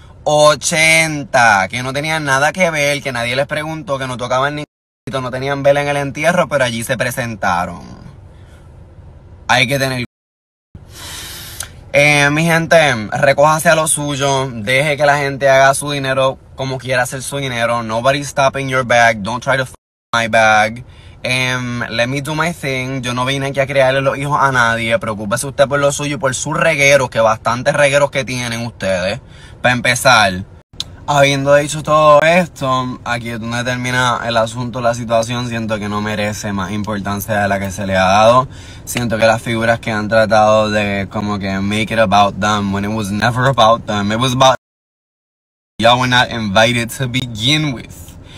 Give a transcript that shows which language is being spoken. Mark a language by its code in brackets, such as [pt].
[es] 80, que no tenían nada que ver, que nadie les preguntó, que no tocaban ni c***o, no tenían vela en el entierro, pero allí se presentaron. Hay que tener mi gente, recójase a lo suyo, deje que la gente haga su dinero como quiera hacer su dinero. [en] Nobody's stopping your bag, don't try to f*** my bag. Let me do my thing. [es] Yo no vine aquí a criarle los hijos a nadie. Preocúpese usted por lo suyo y por sus regueros, que bastantes regueros que tienen ustedes. Para empezar, habiendo dicho todo esto, aquí es donde termina el asunto, la situación. Siento que no merece más importancia de la que se le ha dado. Siento que las figuras que han tratado de como que [en] make it about them, when it was never about them, it was about y'all were not invited to begin with.